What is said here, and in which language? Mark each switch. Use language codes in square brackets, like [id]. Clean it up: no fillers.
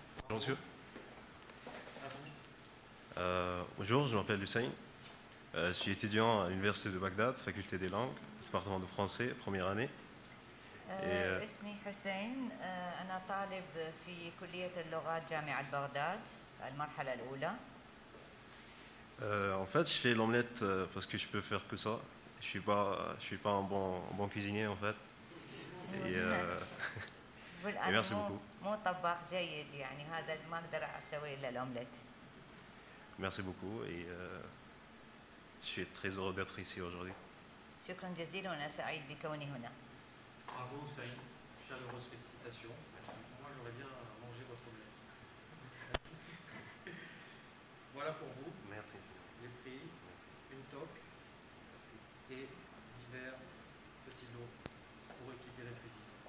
[fr] Monsieur. Bonjour, je m'appelle Hussein. Je suis étudiant à l'Université de Bagdad, faculté des langues, département de français, première année. [ar] اسمي حسين. أنا طالب في كلية اللغات جامعة بغداد المرحلة الأولى. [fr] En fait, je fais l'omelette parce que je peux faire que ça. Je suis pas un bon cuisinier en fait. Et merci beaucoup. [ar] مو طباخ جيد يعني هذا ما اقدر اسوي الا الاومليت. [fr] Merci beaucoup et je suis très heureux d'être ici aujourd'hui. [ar] شكرا جزيلا وانا سعيد بكوني هنا. [fr] Bravo Hussein, chaleureuse félicitation. Merci. Moi j'aurais bien mangé votre omelette. Voilà pour vous. Merci. Les prix, merci. Une toque. Merci. Et divers petits lots pour équiper la cuisine.